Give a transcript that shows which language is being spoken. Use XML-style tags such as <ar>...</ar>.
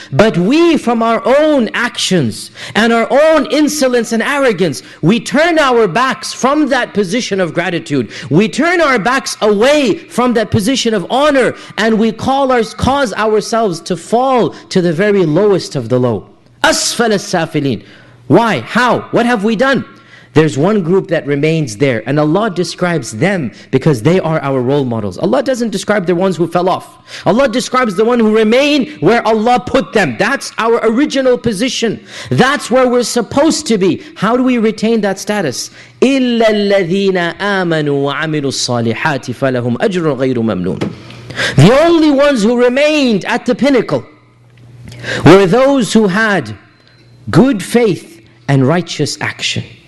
<en>But we from our own actions and our own insolence and arrogance, we turn our backs from that position of gratitude. We turn our backs away from that position of honor and we cause ourselves to fall to the very lowest of the low.</en> <ar>أَسْفَلَ السَّافِلِينَ</ar> <en>Why? How? What have we done? There's one group that remains there. And Allah describes them because they are our role models. Allah doesn't describe the ones who fell off. Allah describes the one who remain where Allah put them. That's our original position. That's where we're supposed to be. How do we retain that status?</en> <ar>إِلَّا الَّذِينَ آمَنُوا وَعَمِلُوا الصَّالِحَاتِ فَلَهُمْ أَجْرٌ غَيْرُ مَمْنُونَ</ar> <en>The only ones who remained at the pinnacle were those who had good faith and righteous action.</en>